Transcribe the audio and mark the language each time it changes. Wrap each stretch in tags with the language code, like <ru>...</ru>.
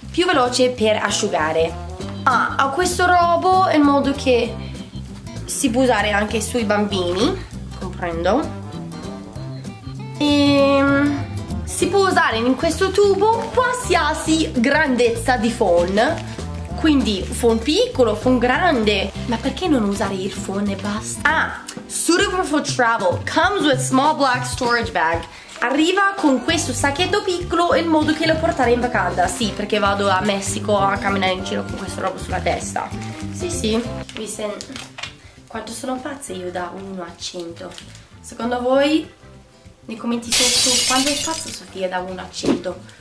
<it>Più veloce per asciugare. Ah, ho questo robo in modo che si può usare anche sui bambini. Comprendo. E si può usare in questo tubo qualsiasi grandezza di phon. Quindi phon piccolo, phon grande. Ma perché non usare il phon e basta?</it> <en>Ah, suitable for travel. Comes with small black storage bag.</en> <it>Arriva con questo sacchetto piccolo in modo che lo portare in vacanza. Sì, perché vado a Messico a camminare in giro con questo robo sulla testa. Sì, sì. Mi sento... Quanto sono pazza io da 1 a 100? Secondo voi, nei commenti sotto, quanto è pazza Sofia da 1 a 100?</it>